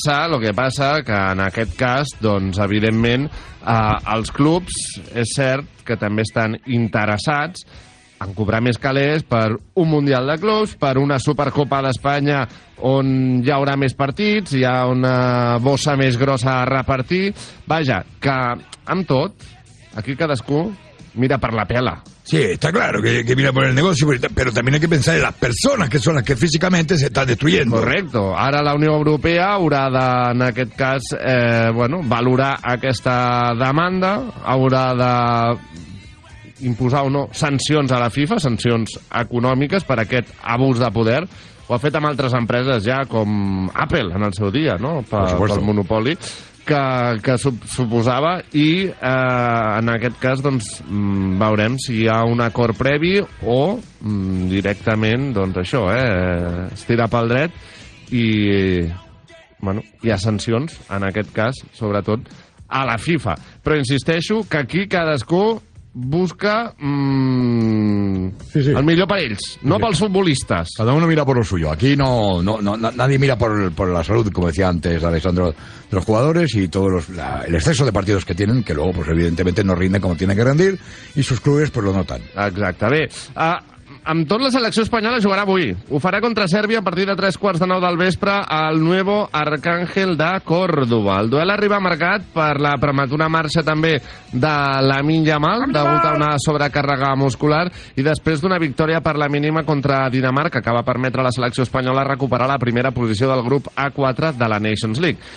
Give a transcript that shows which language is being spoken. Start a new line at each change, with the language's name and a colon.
Spanish: Lo que pasa,
Catalan: que en aquest cas, doncs, evidentment, els clubs, és cert que també estan interessats en cobrar més calés per un Mundial de Clubs, per una Supercopa d'Espanya on hi haurà més partits, hi ha una bossa més grossa a repartir. Vaja, que amb tot, aquí cadascú mira per la pela.
Spanish: Sí, está claro que mira por el negocio, pero también hay que pensar en las personas que son las que físicamente se están destruyendo. Correcto.
Catalan: Ara la Unió Europea haurà de, en aquest cas, valorar aquesta demanda, haurà de imposar o no sancions a la FIFA, sancions econòmiques per aquest abús de poder. Ho ha fet amb altres empreses ja, com Apple en el seu dia, no? Pel monopoli que suposava, i en aquest cas, doncs, veurem si hi ha un acord previ o directament, doncs, això, estirar pel dret i, bueno, hi ha sancions, en aquest cas, sobretot, a la FIFA. Però insisteixo que aquí cadascú busca el millor per ells, no pels futbolistes.
Spanish: Cada uno mira por lo suyo. Aquí nadie mira por la salud, como decía antes Alessandro, de los jugadores y todos el exceso de partidos que tienen, que luego, pues evidentemente, no rinden como tienen que rendir, y sus clubes pues lo notan.
Catalan: Exacte. Bé, amb tot, la selecció espanyola jugarà avui. Ho farà contra Sèrbia a partir de 8:45 del vespre al Nuevo Arcángel de Córdoba. El duel arriba marcat per la prematura marxa també de Lamine Yamal, degut a una sobrecàrrega muscular, i després d'una victòria per la mínima contra Dinamarca, que va permetre a la selecció espanyola recuperar la primera posició del grup A4 de la Nations League.